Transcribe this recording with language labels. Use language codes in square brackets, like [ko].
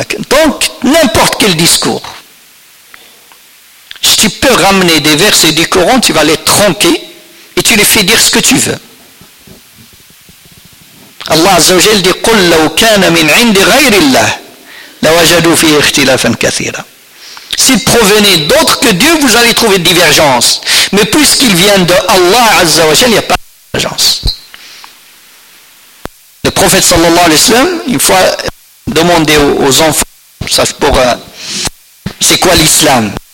[fr] Donc, n'importe quel discours, tu peux ramener des versets du Coran, tu vas les tronquer et tu les fais dire ce que tu veux. Allah Azza wa Jalla dit [ar] قُلْ لَوْ كَانَ مِنْ عِنْدِ غَيْرِ اللَّهِ لَوَجَدُوا فِيهِ اخْتِلَافًا كَثِيرًا. [fr] S'il provenait d'autres que Dieu, vous allez trouver divergence. Mais puisqu'il vient de Allah Azza wa Jalla, il n'y a pas de divergence. Le prophète sallallahu alayhi wa sallam, une fois demandé aux enfants, pour c'est quoi l'islam.